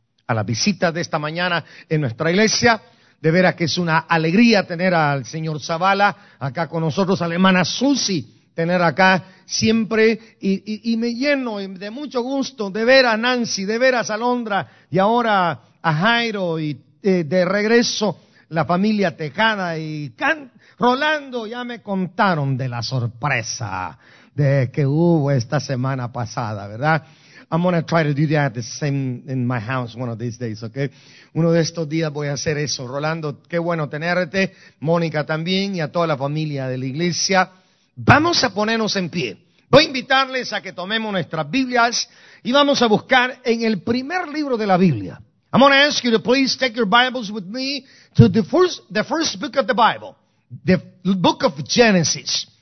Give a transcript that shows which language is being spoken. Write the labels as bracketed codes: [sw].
[es] A la visita de esta mañana en nuestra iglesia, de veras que es una alegría tener al señor Zavala acá con nosotros, a la hermana Susi, tener acá siempre, y me lleno de mucho gusto de ver a Nancy, de ver a Alondra, y ahora a Jairo, y de regreso la familia Tejada, y Rolando, ya me contaron de la sorpresa de que hubo esta semana pasada, ¿verdad? [en] I'm gonna try to do that the same in my house one of these days, okay? [es] Uno de estos días voy a hacer eso. Rolando, qué bueno tenerte, Mónica también, y a toda la familia de la iglesia. Vamos a ponernos en pie. Voy a invitarles a que tomemos nuestras Biblias y vamos a buscar en el primer libro de la Biblia. [en] I'm gonna ask you to please take your Bibles with me to the first book of the Bible, the book of Genesis.